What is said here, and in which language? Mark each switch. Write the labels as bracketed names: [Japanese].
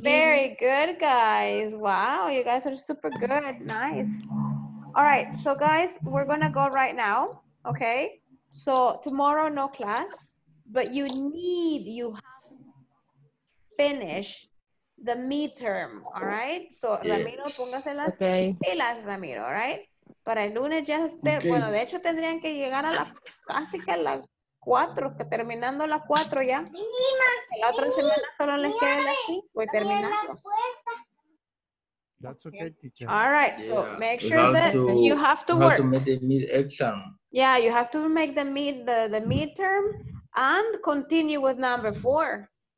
[English] Very good, guys. Wow, you guys are super good. Nice. All right, so guys, we're gonna go right now, okay? So tomorrow, no class, but you have to finish the midterm, all right? So yes. [Spanish] Ramiro, póngase las pilas, Ramiro, all right? Para el lunes ya usted, okay. Bueno, de hecho tendrían que llegar a la, casi que a la cuatro, que terminando las cuatro ya. La otra semana solo les queda las cinco y terminando. [English] That's okay, teacher. All right, so make sure that you have to work. Have to make the mid exam. Yeah, you have to make the midterm and continue with number four.